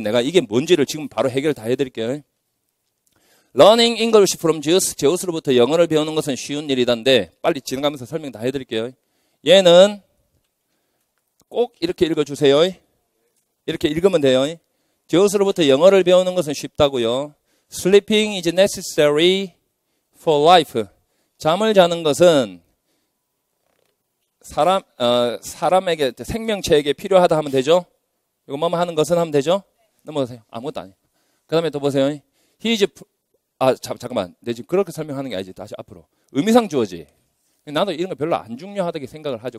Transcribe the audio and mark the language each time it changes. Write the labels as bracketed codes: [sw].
[ko] 내가 이게 뭔지를 지금 바로 해결 다 해드릴게요. [en] Learning English from Zeus, [ko] 제우스로부터 영어를 배우는 것은 쉬운 일이던데 빨리 지나가면서 설명 다 해드릴게요. 얘는 꼭 이렇게 읽어주세요. 이렇게 읽으면 돼요. 제우스로부터 영어를 배우는 것은 쉽다고요. [en] Sleeping is necessary for life. [ko] 잠을 자는 것은 사람에게, 생명체에게 필요하다 하면 되죠. 이거 뭐만 하는 것은 하면 되죠? 넘어가세요. 아무것도 아니에요. 그 다음에 또 보세요. [en] He is, [ko] 잠깐만. 내가 지금 그렇게 설명하는 게 아니지. 다시 앞으로. 의미상 주어지. 나도 이런 거 별로 안 중요하다고 생각을 하죠.